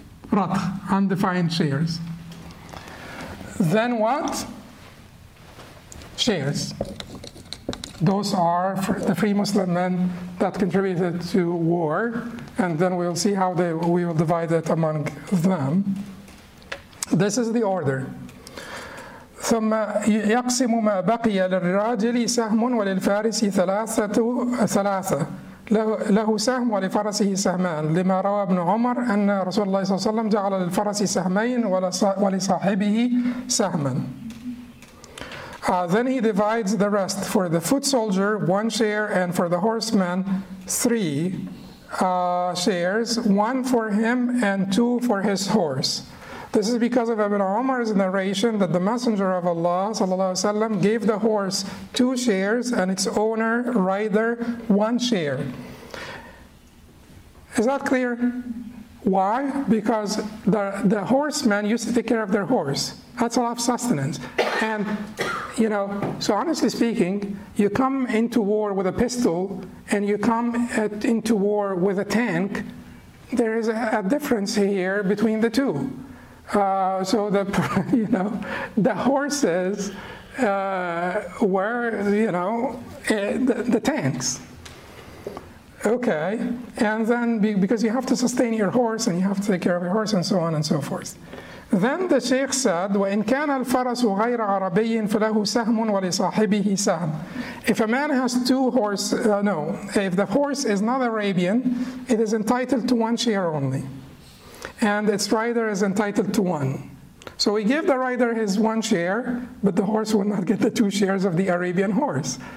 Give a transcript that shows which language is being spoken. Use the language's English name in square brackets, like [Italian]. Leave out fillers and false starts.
[English] Ratkh, undefined shares. Then what? Shares. Those are for the free Muslim men that contributed to war, and then we'll see how we will divide it among them. This is the order. [Arabic] ثم يقسم ما بقي للراجل سهم وللفارس ثلاثة له سهم ولفرسه سهمان لما روى ابن عمر أن رسول الله صلى الله عليه وسلم جعل للفرس سهمين ولصاحبه سهما. [English] Then he divides the rest for the foot soldier one share and for the horseman three shares, one for him and two for his horse. This is because of Ibn Umar's narration that the Messenger of Allah sallallahu alaihi wasallam gave the horse two shares and its owner, rider, one share. Is that clear? Why? Because the horsemen used to take care of their horse. That's a lot of sustenance. And, you know, so honestly speaking, you come into war with a pistol and you come into war with a tank, there is a difference here between the two. So the horses were, you know, the tanks. Okay, and then because you have to sustain your horse and you have to take care of your horse and so on and so forth. Then the sheikh said, [Arabic] وَإِنْ كَانَ الْفَرَسُ غَيْرَ عَرَبِيٍ فَلَهُ سَهْمٌ وَلِصَاحِبِهِ سَهْمٌ. [English] If a man has two horses, if the horse is not Arabian, it is entitled to one share only. And its rider is entitled to one. So we give the rider his one share, but the horse will not get the two shares of the Arabian horse.